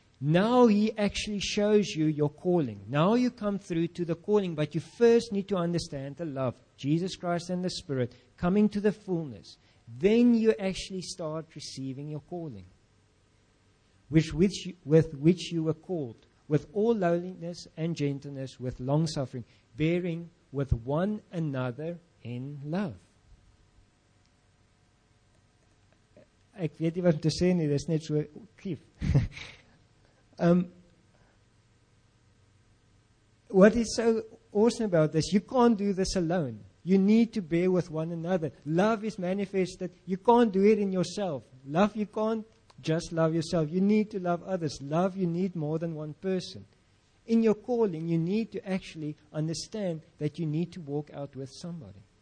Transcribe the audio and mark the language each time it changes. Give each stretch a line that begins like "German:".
English: Now he actually shows you your calling. Now you come through to the calling, but you first need to understand the love, Jesus Christ and the Spirit, coming to the fullness. Then you actually start receiving your calling, with which you were called, with all lowliness and gentleness, with long-suffering, bearing with one another in love.
Afrikaans: Ek weet nie wat om te sê nie, dis net so klief.
English: What is so awesome about this, you can't do this alone. You need to bear with one another. Love is manifested. You can't do it in yourself. Love, you can't just love yourself. You need to love others. Love, you need more than one person. In your calling, you need to actually understand that you need to walk out with somebody.